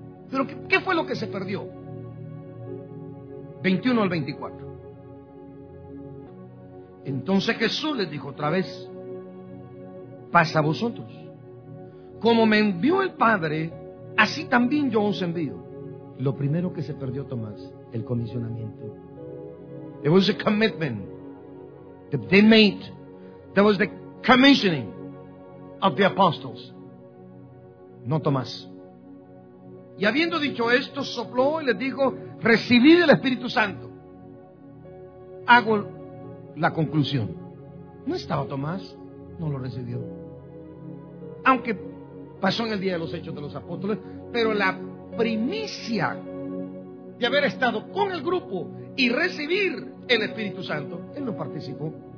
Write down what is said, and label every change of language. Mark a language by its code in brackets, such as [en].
[es] Pero ¿qué fue lo que se perdió? 21 al 24. Entonces Jesús les dijo otra vez, paz a vosotros. Como me envió el Padre, así también yo os envío. Lo primero que se perdió, Tomás, el comisionamiento. [en] It was a commitment that they made. That was the commissioning of the apostles. [es] No, Tomás. Y habiendo dicho esto, sopló y les dijo, recibid el Espíritu Santo. Hago la conclusión. No estaba Tomás, no lo recibió. Aunque pasó en el día de los Hechos de los Apóstoles, pero la primicia de haber estado con el grupo y recibir el Espíritu Santo, él no participó.